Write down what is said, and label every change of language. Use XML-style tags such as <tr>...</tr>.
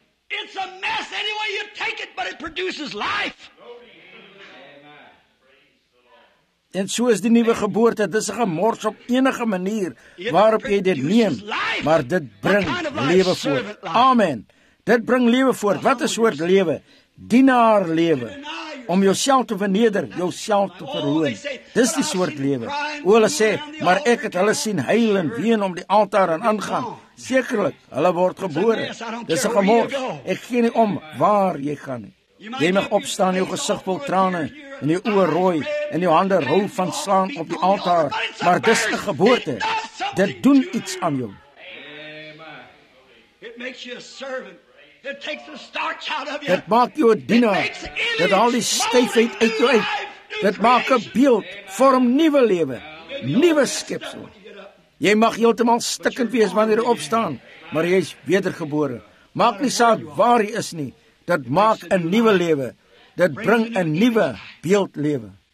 <en>It's a mess any way you take it, but it produces life.</en> <af>En so is die nuwe geboorte, dit is 'n gemors op enige manier waarop jy dit neem, maar dit bring lewe voort. Amen. Dit bring lewe voort. Wat is soort lewe? Dienaar lewe. Om jouself te verneder, jouself te verhoon. Dis die soort lewe. O, hulle sê, maar ek het hulle sien huil en ween om die altaar en aangaan. Sekerlik, hulle word gebore. Dis 'n gemors. Ek gee nie om waar jy gaan. Jy mag opstaan, jou gesig vol trane, en jou oë rooi, en jou hande rou van slaan op die altaar, maar dis 'n geboorte. Dit doen iets aan jou.</af> <en>It makes you a servant. It takes the starch out of you.</en> <af>Dit maak jou 'n dienaar. Dit haal die styfheid uit jou uit. Dit maak 'n beeld, vorm nuwe lewe, nuwe skepsel. Jy mag heeltemal stikkend wees wanneer jy opstaan, maar jy is wedergebore. Maak nie saak waar jy is nie, Dit maak 'n nuwe lewe. Dit bring 'n nuwe beeldlewe.</af>